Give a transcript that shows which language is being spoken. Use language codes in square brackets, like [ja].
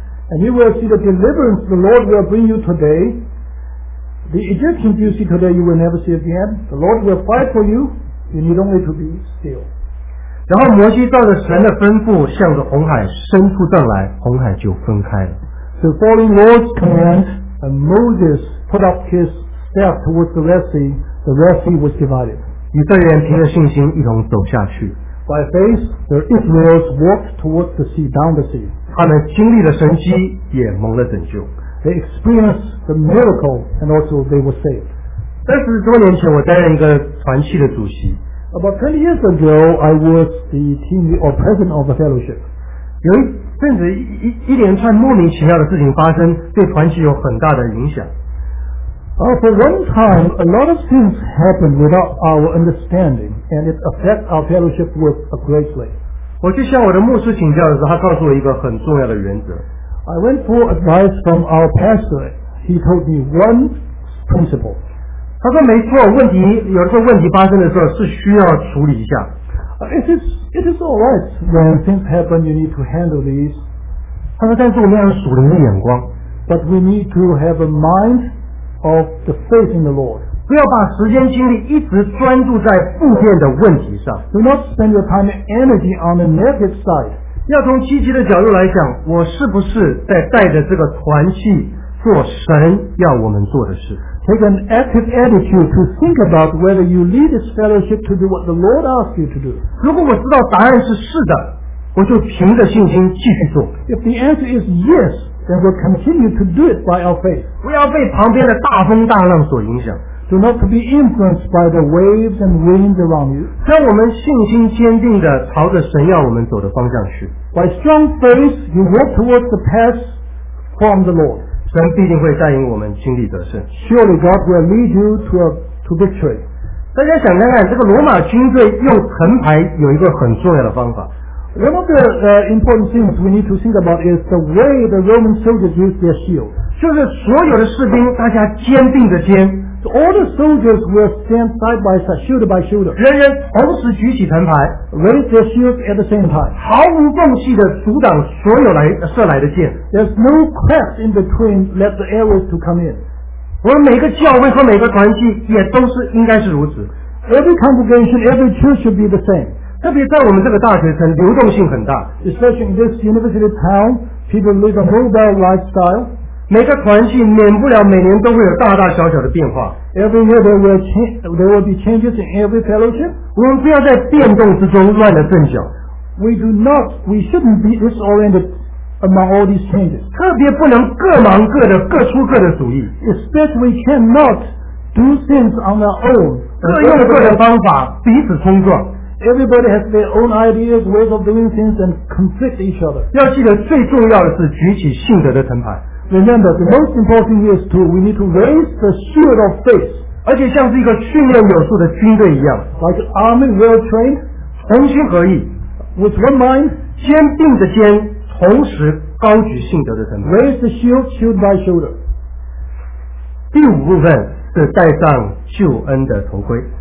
[en] And you will see the deliverance the Lord will bring you today. The Egyptians you see today, you will never see again. The Lord will fight for you. You need only to be still. [zh] 然后摩西照着神的吩咐，向着红海伸出杖来，红海就分开了。 [en] So following Lord's command, Moses put up his staff towards the Red Sea. The Red Sea was divided. [zh] 以色列人凭着信心一同走下去。 [en] By faith, the Israelites walked towards the sea, down the sea. [zh] 他们经历了神迹，也蒙了拯救。 [en] They experienced the miracle, and also they were saved. [zh] 三十多年前，我担任一个团契的主席。 [en] About 20 years ago, I was the team or president of the fellowship. [zh] 有一阵子，一连串莫名其妙的事情发生，对团契有很大的影响。 [en] For one time, a lot of things happened without our understanding, and it affects our fellowship with a great way. [zh] 我去向我的牧师请教的时候，他告诉我一个很重要的原则。 [en] I went for advice from our pastor. He told me one principle. [zh] 他说没错，问题有的时候问题发生的时候是需要处理一下。 [en] It is all right when things happen. You need to handle these. [zh] 他说，但是我们要有属灵的眼光。 [en] But we need to have a mind. Of the faith in the Lord. [zh] 不要把时间精力一直专注在负面的问题上。 [en] Do not spend your time and energy on the negative side. [zh] 要从积极的角度来讲，我是不是在带着这个团契做神要我们做的事？ [en] Take an active attitude to think about whether you lead this fellowship to do what the Lord asks you to do. [zh] 如果我知道答案是是的，我就凭着信心继续做。 [en] If the answer is yes. Then we'll continue to do it by our faith. [zh] 不要被旁边的大风大浪所影响。 [en] Do not be influenced by the waves and winds around you. [zh] 让我们信心坚定地朝着神要我们走的方向去。 [en] By strong faith, you walk towards the path from the Lord. [zh] 神必定会带领我们经历得胜。 [en] Surely God will lead you to victory. [zh] 大家想看看，这个罗马军队用藤牌有一个很重要的方法。 [en] One of the important things we need to think about is the way the Roman soldiers used their shield. [zh] 就是所有的士兵，大家肩并着肩。 [en] So all the soldiers will stand side by side, shoulder by shoulder. [zh] 人人同时举起藤牌 [en] ，raise their shields at the same time. [zh] 毫无缝隙的阻挡所有来射来的箭。 [en] There's no cracks in between, let the arrows to come in. [zh] 我们每个教会和每个团契也都是应该是如此。 [en] Every congregation, every church should be the same. [zh] 特别在我们这个大学城，流动性很大。 [en] Especially in this university town, people live a mobile lifestyle. [zh] 每个团契免不了每年都会有大大小小的变化。 [en] Every year there will be changes in every fellowship. [zh] 我们不要在变动之中乱了阵脚。 [en] We shouldn't be disoriented among all these changes. [zh] 特别不能各忙各的，各出各的主意。 [en] Especially we cannot do things on our own. [zh] 各用各的方法，彼此冲撞。 [en] Everybody has their own ideas, ways of doing things, and conflict each other. [zh] 要记得最重要的是举起信德的藤牌。 [en] Remember, the most important thing is to we need to raise the shield of faith. [zh] 而且像是一个训练有素的军队一样 [en] ，like an army well trained， [zh] 同心合意 [en] ，with one mind， [zh] 肩并着肩，同时高举信德的盾牌 [en] ，raise the shield shield by shoulder。 [zh] 第五部分是戴上救恩的头盔